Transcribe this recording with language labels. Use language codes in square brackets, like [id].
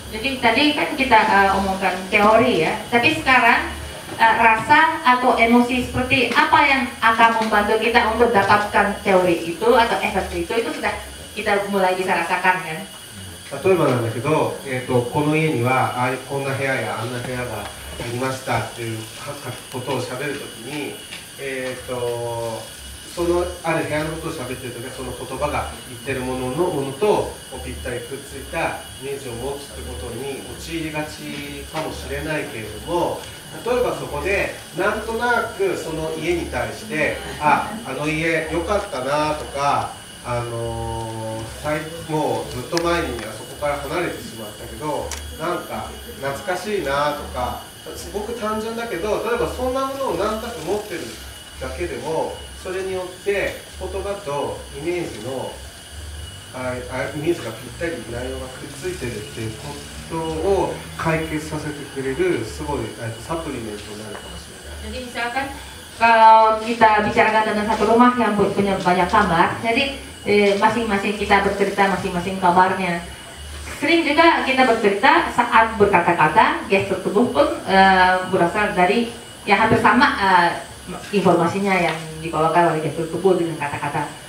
[id] Jadi tadi kan kita omongkan teori ya, tapi sekarang rasa atau emosi seperti apa yang akan membantu kita untuk dapatkan teori itu atau efek itu sudah kita mulai bisa rasakan kan? [ja] 例えばなんだけど、この家にはこんな部屋やあんな部屋がありましたっていうことを喋るときに、そのある部屋のことを喋ってるときはその言葉が言ってるもののものとぴったりくっついたイメージを持つってことに陥りがちかもしれないけれども、例えばそこでなんとなくその家に対して、あの家良かったなとか、もうずっと前にあそこから離れてしまったけど、なんか懐かしいなとか、すごく単純だけど、例えばそんなものを何となく持ってるだけでも、それによって言葉とイメージのイメージがぴったり内容がくっついてるっていうことを解決させてくれる、すごいサプリメントになるかもしれない。 [id] Kalau kita bicarakan tentang satu rumah yang punya banyak kamar, jadi masing-masing kita bercerita masing-masing kamarnya. Sering juga kita bercerita saat berkata-kata, gestur tubuh pun berasal dari ya hampir sama informasinya yang dikeluarkan oleh gestur tubuh dengan kata-kata.